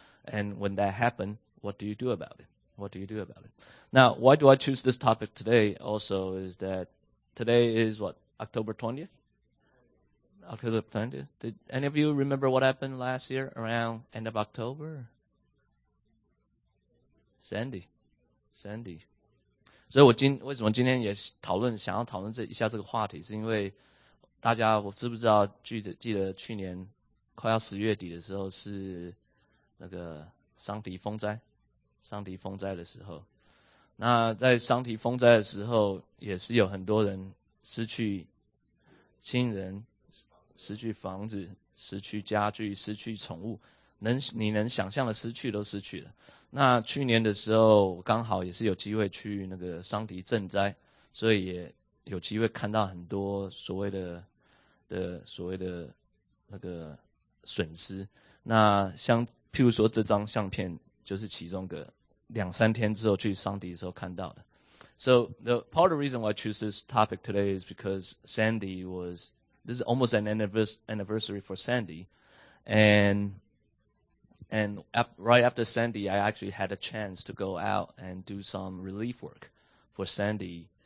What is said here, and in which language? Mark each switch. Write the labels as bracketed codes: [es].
[en] And when that happened, what do you do about it? Now, why do I choose this topic today also is that today is what, October 20th? October 20th. Did any of you remember what happened last year around end of October? [zh] Sandy，Sandy，所以为什么今天也讨论想要讨论这个话题，是因为大家我知不知道记得去年快要十月底的时候是那个桑迪风灾的时候，那在桑迪风灾的时候也是有很多人失去亲人、失去房子、失去家具、失去宠物。你能想象的失去都失去了。那去年的时候刚好也是有机会去那个桑迪赈灾，所以也有机会看到很多所谓的那个损失。那像譬如说这张相片就是其中一个两三天之后去桑迪的时候看到的。 [en] So the part of the reason why I choose this topic today is because Sandy was, this is almost an anniversary for Sandy, and right after Sandy, I actually had a chance to go out and do some relief work for Sandy.